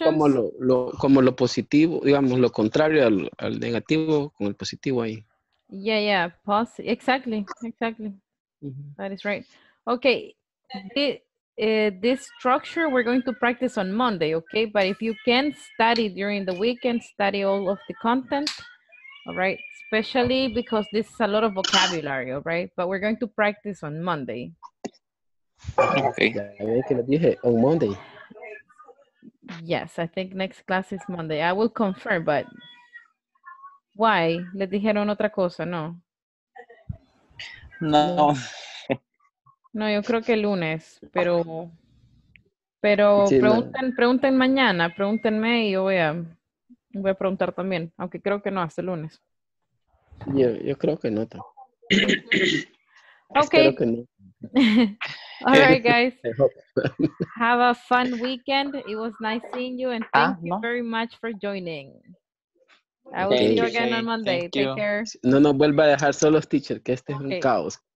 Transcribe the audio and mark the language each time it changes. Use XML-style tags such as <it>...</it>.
<es>Es como lo positivo, digamos, lo contrario al negativo con el positivo ahí.</es> <en>Yeah, yeah, positive. Exactly, exactly. Mm-hmm. That is right. Okay, this structure we're going to practice on Monday, okay? But if you can study during the weekend, study all of the content, all right? Especially because this is a lot of vocabulary, all right? But we're going to practice on Monday. Okay. On Monday. Yes, I think next class is Monday. I will confirm, but why?</en> <es>Le dijeron otra cosa, no? No. No, yo creo que el lunes, pero sí, pregunten mañana, pregúntenme y yo voy a preguntar también, aunque creo que no hasta el lunes. Yo creo que no.</es> <en>Okay.</en> <es>Que no.</es> <en>All right, guys. Have a fun weekend. It was nice seeing you and thank you very much for joining. I will see you again on Monday. Take care.</en> <es>No nos vuelva a dejar solos, teacher, que este es un caos.</es>